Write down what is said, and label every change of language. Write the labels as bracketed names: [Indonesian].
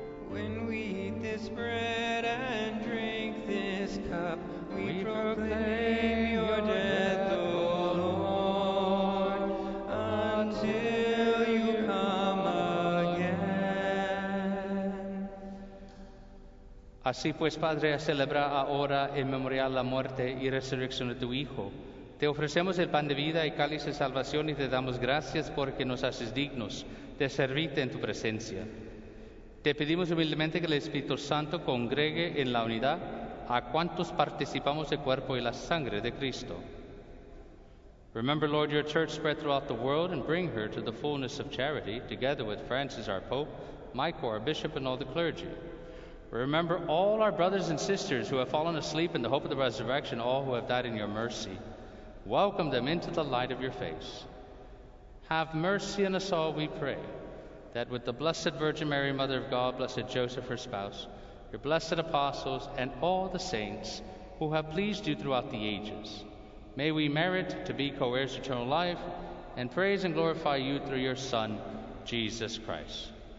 [English] When we eat this bread and drink this cup, we proclaim your death, O Lord, until you come again. [Spanish] Así pues, Padre, a celebrar ahora en memorial la muerte y resurrección de tu Hijo, te ofrecemos el pan de vida y cáliz de salvación y te damos gracias porque nos haces dignos de servirte en tu presencia. Te pedimos humildemente que el Espíritu Santo congregue en la unidad a cuantos participamos del cuerpo y la sangre de Cristo. [English] Remember, Lord, your church spread throughout the world and bring her to the fullness of charity, together with Francis, our Pope, Michael, our Bishop, and all the clergy. Remember all our brothers and sisters who have fallen asleep in the hope of the resurrection, all who have died in your mercy. Welcome them into the light of your face. Have mercy on us all, we pray, that with the Blessed Virgin Mary, Mother of God, Blessed Joseph, her spouse, your blessed apostles, and all the saints who have pleased you throughout the ages, may we merit to be co-heirs of eternal life and praise and glorify you through your Son, Jesus Christ.